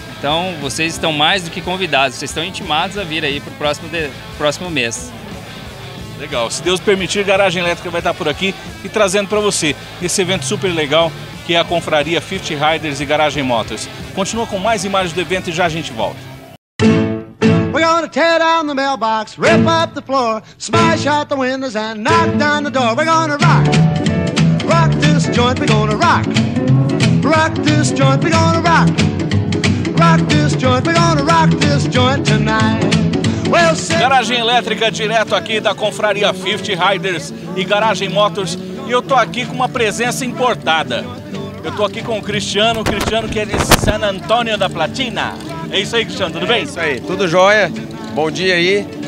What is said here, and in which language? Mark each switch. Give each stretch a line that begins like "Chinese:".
Portuguese: Então vocês estão mais do que convidados, vocês estão intimados a vir aí para o próximo mês. Legal. Se Deus permitir, a Garagem Elétrica vai estar por aqui e trazendo para você esse evento super legal, que é a confraria 50 Riders e Garagem Motors. Continua com mais imagens do evento e já a gente volta.
English: We're gonna tear down the mailbox, rip up the floor, smash out the windows and knock down the door. We're gonna rock, rock this joint, we're gonna rock. Rock this joint, we're gonna rock. Rock this joint, we're gonna rock this joint tonight.
Portuguese: Garagem Elétrica direto aqui da confraria 50 Riders e Garagem Motors. E eu tô aqui com uma presença importada. Eu tô aqui com o Cristiano que é de San Antonio da Platina. É isso aí, Cristiano, tudo bem? É isso aí, tudo jóia. Bom dia aí.